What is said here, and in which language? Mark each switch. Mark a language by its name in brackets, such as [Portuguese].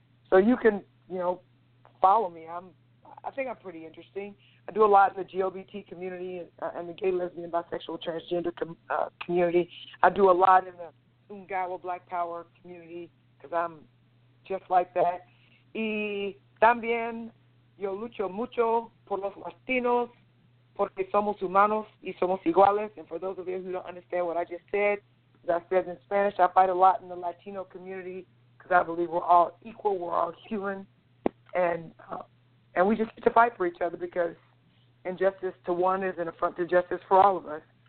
[English] So you can, you know, follow me. I think I'm pretty interesting. I do a lot in the GLBT community and the gay, lesbian, bisexual, transgender community. I do a lot in the Ungawa Black Power community because I'm just like that. [Spanish] Y también yo lucho mucho por los latinos porque somos humanos y somos iguales. [English] And for those of you who don't understand what I just said, as I said in Spanish, I fight a lot in the Latino community because I believe we're all equal, we're all human, and we just need to fight for each other because injustice to one is an affront to justice for all of us.